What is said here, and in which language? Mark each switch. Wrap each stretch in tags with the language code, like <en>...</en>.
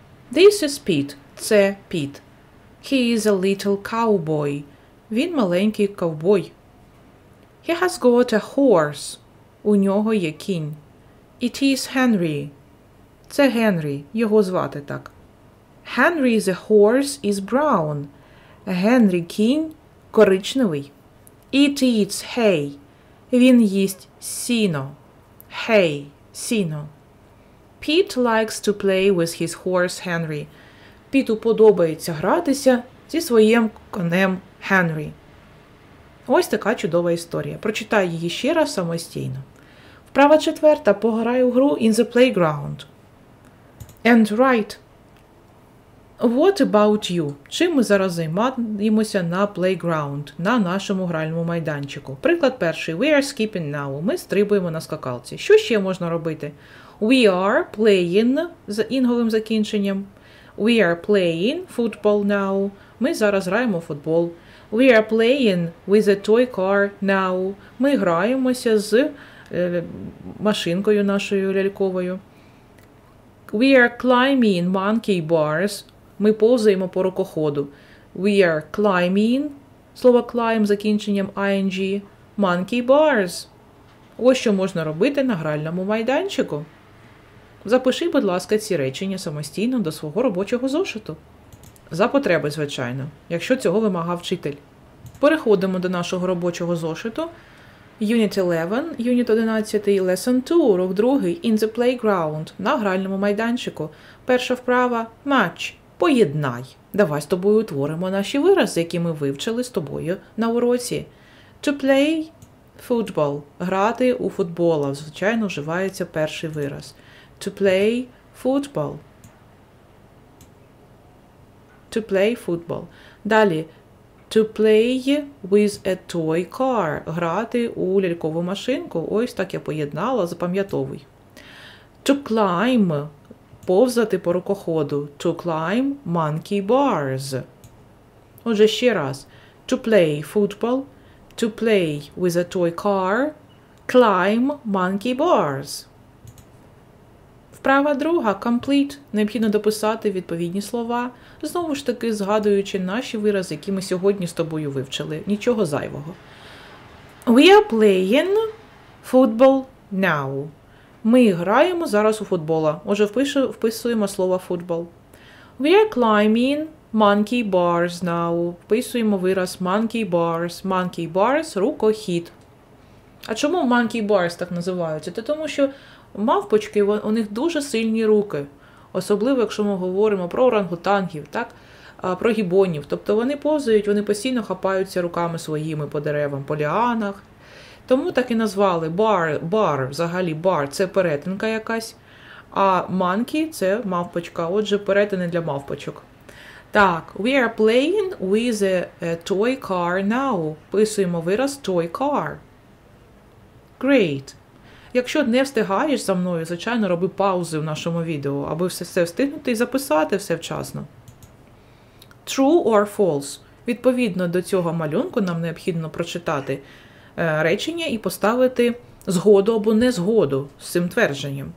<en>This is Pete.</en> <uk>Це Pete.</uk> <en>He is a little cowboy.</en> <uk>Він маленький ковбой.</uk> <en>He has got a horse.</en> <uk>У нього є кінь.</uk> <en>It is Henry.</en> <uk>Це Henry. Його звати так.</uk> <en>Henry the horse is brown.</en> <uk>Henry кінь коричневий.</uk> <en>It eats hay.</en> <uk>Він їсть сіно.</uk> <en>Hay.</en> <uk>Сіно.</uk> <en>Pete likes to play with his horse Henry.</en> <uk>Піту подобається гратися зі своїм конем Henry. Ось така чудова історія. Прочитай її ще раз самостійно. Вправа четверта. Пограй у гру</uk> <en>in the playground. And write. What about you?</en> <uk>Чим ми зараз займаємося на playground, на нашому гральному майданчику? Приклад перший.</uk> <en>We are skipping now.</en> <uk>Ми стрибуємо на скакалці. Що ще можна робити?</uk> <en>We are playing</en> <uk>з інговим закінченням.</uk> <en>We are playing football now.</en> <uk>Ми зараз граємо в футбол.</uk> <en>We are playing with a toy car now.</en> <uk>Ми граємося з машинкою нашою ляльковою.</uk> <en>We are climbing monkey bars.</en> <uk>Ми повзаємо по рукоходу.</uk> <en>We are climbing.</en> <uk>Слово climb закінченням ing.</uk> <en>Monkey bars.</en> <uk>Ось що можна робити на гральному майданчику. Запиши, будь ласка, ці речення самостійно до свого робочого зошиту. За потреби, звичайно, якщо цього вимагав вчитель. Переходимо до нашого робочого зошиту.</uk> <en>Unit 11, Unit 11, Lesson 2,</en> <uk>урок 2,</uk> <en>In the Playground,</en> <uk>на гральному майданчику. Перша вправа – Match. Поєднай. Давай з тобою утворимо наші вирази, які ми вивчили з тобою на уроці.</uk> <en>To play</en> <uk>Football. Грати у футбола. Звичайно, вживається перший вираз.</uk> <en>To play football. To play football.</en> <uk>Далі.</uk> <en>To play with a toy car.</en> <uk>Грати у лялькову машинку. Ось так я поєднала, запам'ятовуй.</uk> <en>To climb.</en> <uk>Повзати по рукоходу.</uk> <en>To climb monkey bars.</en> <uk>Отже, ще раз.</uk> <en>To play football. To play with a toy car. Climb monkey bars.</en> <uk>Вправа друга.</uk> <en>Complete.</en> <uk>Необхідно дописати відповідні слова. Знову ж таки, згадуючи наші вирази, які ми сьогодні з тобою вивчили. Нічого зайвого.</uk> <en>We are playing football now.</en> <uk>Ми граємо зараз у футбола. Отже, вписуємо слово football.</uk> <en>We are climbing monkey bars now.</en> <uk>Вписуємо вираз monkey bars.</uk> <en>Monkey bars – рукохід.</en> <uk>А чому monkey bars так називаються? Це тому, що мавпочки, у них дуже сильні руки. Особливо, якщо ми говоримо про орангутангів, так? Про гібонів. Тобто вони повзають, вони постійно хапаються руками своїми по деревам, по ліанах. Тому так і назвали бар, взагалі бар – це перетинка якась, а манкі – це мавпочка, отже перетини для мавпочок.</uk> <en>Так, we are playing with a toy car now.</en> <uk>Писуємо вираз toy car.</uk> <en>Great.</en> <uk>Якщо не встигаєш за мною, звичайно, роби паузи в нашому відео, аби все встигнути і записати все вчасно.</uk> <en>True or false?</en> <uk>Відповідно до цього малюнку нам необхідно прочитати речення і поставити згоду або незгоду з цим твердженням.</uk>